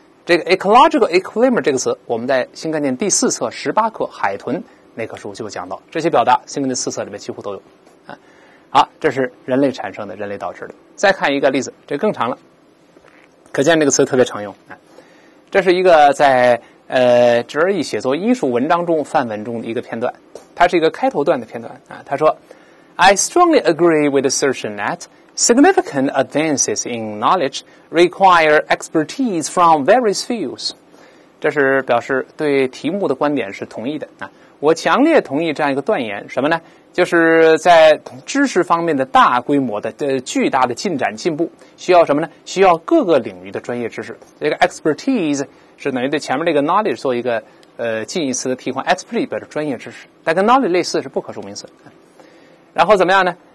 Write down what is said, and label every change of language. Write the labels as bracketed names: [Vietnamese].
[Chinese] 这个 ecological equilibrium 这个词我们在新概念第四册十八课海豚那课书就讲到，这些表达新概念四册里面几乎都有。好，这是人类产生的，人类导致的。再看一个例子，这更长了，可见这个词特别常用。这是一个在侄儿一写作艺术文章中范文中的一个片段，它是一个开头段的片段啊。他说 [English] I strongly agree with the assertion that significant advances in knowledge require expertise from various fields。 [Chinese] 这是表示对题目的观点是同意的啊。我强烈同意这样一个断言，什么呢？就是在知识方面的大规模的巨大的进展进步需要什么呢？需要各个领域的专业知识。这个 expertise 是等于对前面这个 knowledge 做一个近义词的替换， expertise 表示专业知识，但跟 knowledge 类似，是不可数名词。然后怎么样呢？